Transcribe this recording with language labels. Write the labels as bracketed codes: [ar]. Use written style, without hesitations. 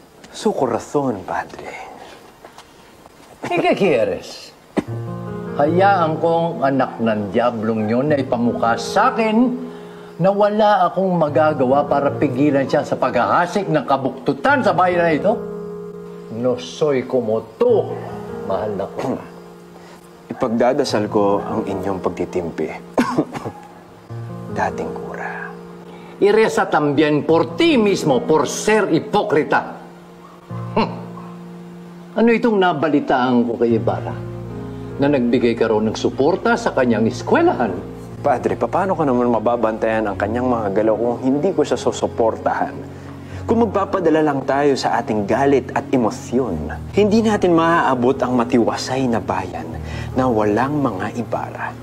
[es] Su corazón, Padre. ¿Qué quieres? [tl] Hayaan kong anak ng diablong yun na ipamukha sa akin na wala akong magagawa para pigilan siya sa paghahasik ng kabuktutan sa bayan na ito? [es] No soy como tú, [tl] mahal na ko. Ipagdadasal ko ang inyong pagtitimpi. Dating kura. [es] Y reza también por ti mismo, por ser hipócrita. [tl] Ano itong nabalitaan ko kay Ibarra na nagbigay ka ron ng suporta sa kanyang eskwelahan? Padre, paano ko naman mababantayan ang kanyang mga galaw kung hindi ko siya susuportahan? Kung magpapadala lang tayo sa ating galit at emosyon, hindi natin maaabot ang matiwasay na bayan na walang mga Ibarra.